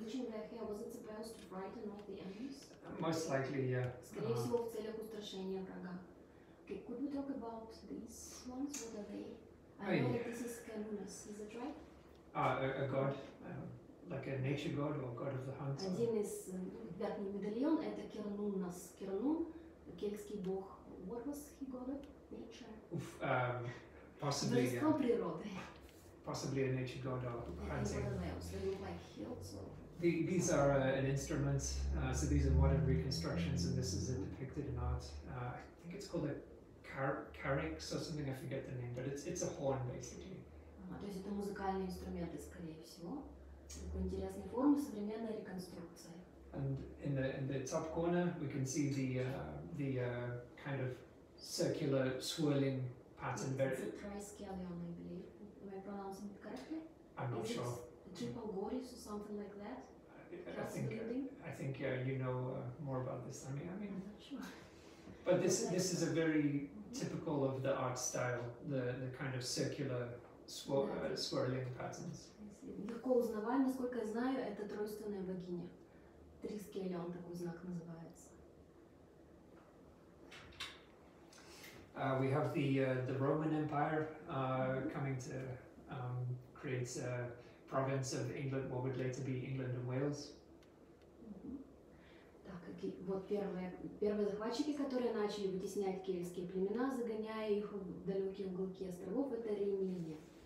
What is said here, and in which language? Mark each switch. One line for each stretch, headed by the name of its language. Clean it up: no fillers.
English: Was it supposed to frighten off the enemies? Most likely, yeah.
Russian: Скорее всего, в целях устрашения врага.
English: Okay, could we talk about these ones? What are they? I know that this is Canunus, is that right? A god. Like a nature god or god of the hunt.
Russian: Один из верхних медальон это Кернунас. Кернун, кельтский бог.
English: What was he god of? Nature. Possibly.
Russian: Божество природы.
English: Possibly a nature god or hunting. They look like hilts. These are an instrument. So these are modern reconstructions, and this is depicted in art. I think it's called a carrick or something. I forget the name, but it's a horn basically.
Russian: То есть это музыкальные инструменты, скорее всего. Такой интересной формы современная реконструкция.
English: And in the top corner we can see the kind of circular swirling pattern. It's a triskelion, I believe. Am I pronouncing it correctly? I'm not sure. Triple goris or something like that? I think you know more about this than me. I mean, I'm not sure. But this is a very typical of the art style, the kind of circular swirling patterns.
Russian: Легко узнаваем, насколько я знаю, это тройственная богиня. Трискелион такой знак называется.
English: We have the Roman Empire coming to create a province of England, what would later be England and Wales.
Russian: Так, вот первые захватчики, которые начали вытеснять кельтские племена, загоняя их в далекие уголки островов, это римляне.